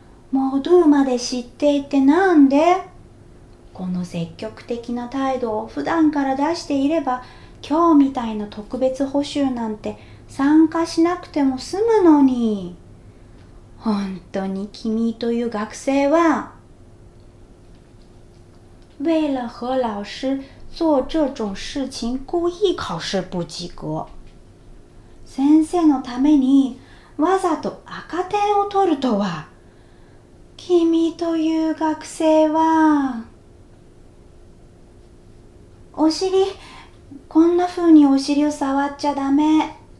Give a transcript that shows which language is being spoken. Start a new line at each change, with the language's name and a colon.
Japanese: モドゥまで知っていてなんで？この積極的な態度を普段から出していれば、今日みたいな特別補習なんて参加しなくても済むのに。本当に君という学生は。
Chinese: 为了和老师做这种事情故意考试不及格。
Japanese: 先生のためにわざと赤点を取るとは、君という学生は。お尻、こんな風にお尻を触っちゃダメ。